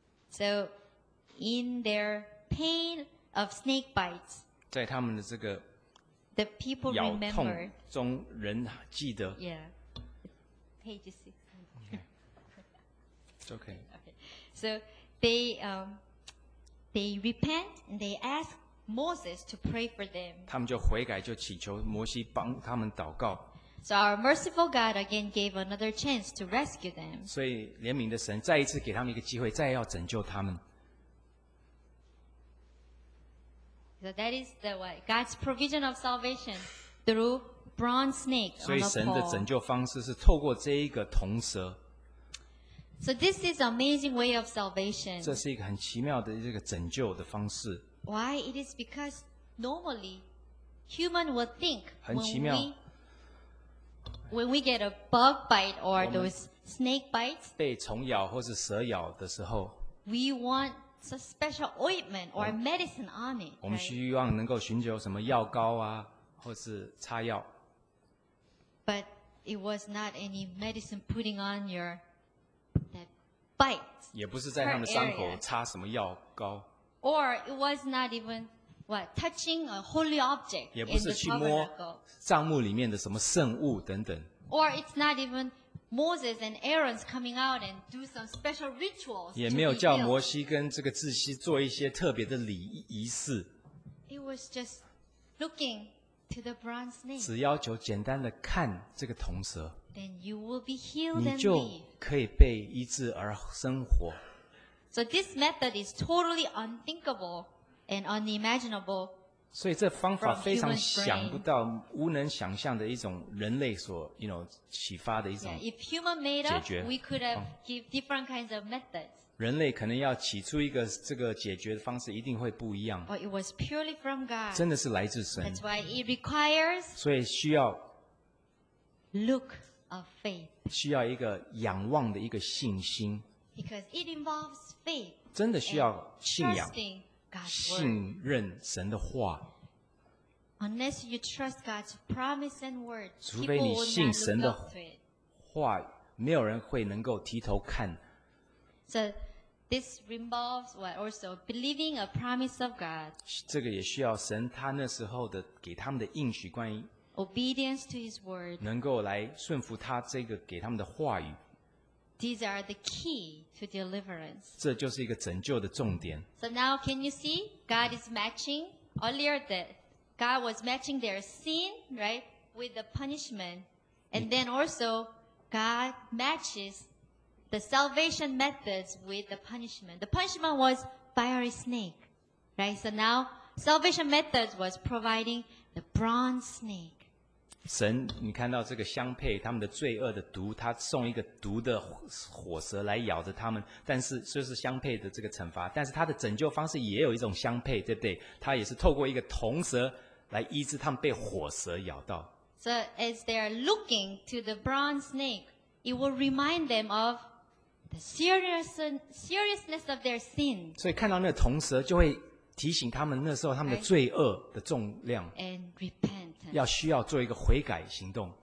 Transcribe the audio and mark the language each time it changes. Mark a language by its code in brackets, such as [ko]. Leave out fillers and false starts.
[en] So in their pain of snake bites, [zh] 在他们的这个 [en] the people [zh] 咬痛中，人记得。 [en] Yeah, page six. It's okay. So they repent and they ask. Moses to pray for them. [zh] 他们就悔改，就祈求摩西帮他们祷告。 [en] So our merciful God again gave another chance to rescue them. [zh] 所以怜悯的神再一次给他们一个机会，再要拯救他们。 [en] So that is the way God's provision of salvation through bronze snake. [zh] 所以神的拯救方式是透过这一个铜蛇。 [en] So this is amazing way of salvation. [zh] 这是一个很奇妙的这个拯救的方式。 [en] Why? It is because normally human would think when we get a bug bite or those snake bites, [zh] 被虫咬或是蛇咬的时候 [en] we want a special ointment or medicine on it. [zh] 我们希望能够寻求什么药膏啊，或是擦药。 [en] But it was not any medicine putting on your that bite. [zh] 也不是在他们的伤口擦什么药膏。 [en] Or it was not even what touching a holy object. [zh] 也不是去摸帐幕里面的什么圣物等等。 [en] Or it's not even Moses and Aaron's coming out and do some special rituals. [zh] 也没有叫摩西跟这个至熙做一些特别的礼仪式。 [en] It was just looking to the bronze snake. [zh] 只要求简单的看这个铜蛇。 Then you will be healed. 你就可以被医治而生活。 [en] So this method is totally unthinkable and unimaginable. [zh] 所以这方法非常想不到、无能想象的一种人类所 [en] you know, [zh] 启发的一种解决。 [en] Yeah, if human made up, we could have give different kinds of methods. [zh] 人类可能要起出一个这个解决的方式一定会不一样。 [en] But it was purely from God. [zh] 真的是来自神。 [en] That's why it requires [zh] 所以需要 [en] look of faith. [zh] 需要一个仰望的一个信心。 [en] Because it involves faith. [zh] 真的需要信仰 [en] trusting God's word. [zh] 信任神的话。 [en] Unless you trust God's promise and word, [zh] 除非你信神的话，没有人会能够低头看。 [en] So this involves what also believing a promise of God. [zh] 这个也需要神他那时候的给他们的应许，关于 [en] obedience to His word， [zh] 能够来顺服他这个给他们的话语。 [en] These are the key to deliverance. [zh] 这就是一个拯救的重点。 [en] So now, can you see God is matching earlier that God was matching their sin, right, with the punishment, and then also God matches the salvation methods with the punishment. The punishment was fiery snake, right? So now, salvation methods was providing the bronze snake. [zh] 神，你看到这个相配，他们的罪恶的毒，他送一个毒的火蛇来咬着他们，但是就是相配的这个惩罚，但是他的拯救方式也有一种相配，对不对？他也是透过一个铜蛇来医治他们被火蛇咬到。 [en] So as they are looking to the bronze snake, it will remind them of the seriousness of their sin. [zh] 所以看到那个铜蛇就会提醒他们那时候他们的罪恶的重量。 [en] And repent. [zh] 要需要做一个悔改行动。